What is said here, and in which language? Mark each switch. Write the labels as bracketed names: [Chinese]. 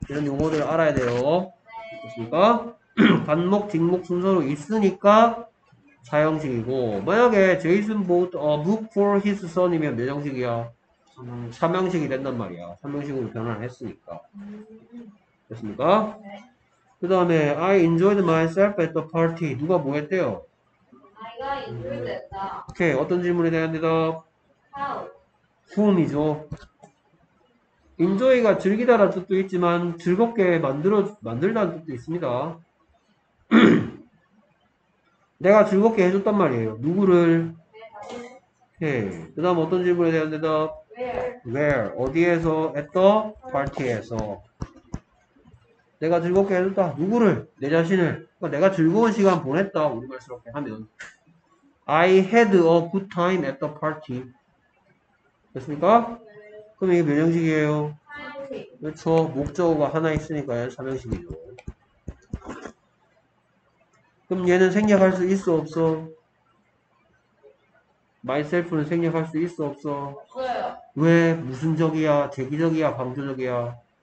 [Korean] 이런 용어들 알아야 돼요. 네. 그렇습니까? 반목, 직목 순서로 있으니까 사형식이고, 만약에 [English] Jason bought a book for his son [Korean] 이면 몇 형식이야? 3형식이 된단 말이야. 3형식으로 변환을 했으니까. 됐습니까? 그 다음에 [English] I enjoyed myself at the party. [Korean] 누가 뭐 했대요? [English] I [Korean] 오케이. 어떤 질문에 대한 대답? [English] got Whom이죠. [Korean] Enjoy가 즐기다라는 뜻도 있지만 즐겁게 만들다는 뜻도 있습니다. 내가 즐겁게 해줬단 말이에요. 누구를? 오케이. 그 다음 어떤 질문에 대한 대답? Where? 어디에서? [English] At the party [Korean] 에서. 내가 즐겁게 해줬다. 누구를? 내 자신을. 그러니까 내가 즐거운 시간 보냈다. 우리말스럽게 하면. [English] I had a good time at the party. [Korean] 됐습니까? 그럼 이게 몇 형식이에요? 그렇죠. 목적어가 하나 있으니까요. 3형식이죠. 그럼 얘는 생략할 수 있어, 없어? Myself는 생략할 수 있어, 없어? 왜? 무슨 적이야? 제기적이야? 방조적이야?